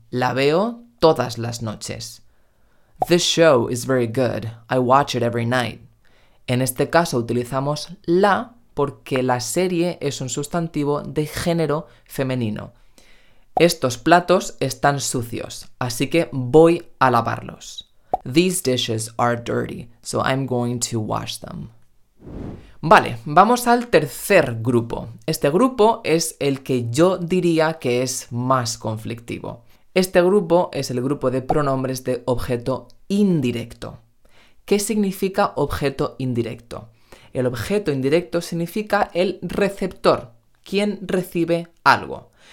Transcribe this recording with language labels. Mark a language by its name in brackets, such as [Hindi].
[Spanish] La veo todas las noches. [English] This show is very good. I watch it every night. [Spanish] En este caso utilizamos la porque la serie es un sustantivo de género femenino. Estos platos están sucios, así que voy a lavarlos. [English] These dishes are dirty, so I'm going to wash them. [Spanish] Vale, vamos al tercer grupo. Este grupo es el que yo diría que es más conflictivo. Este grupo es el grupo de pronombres de objeto indirecto. ¿Qué significa objeto indirecto? El objeto indirecto significa el receptor, quien recibe algo.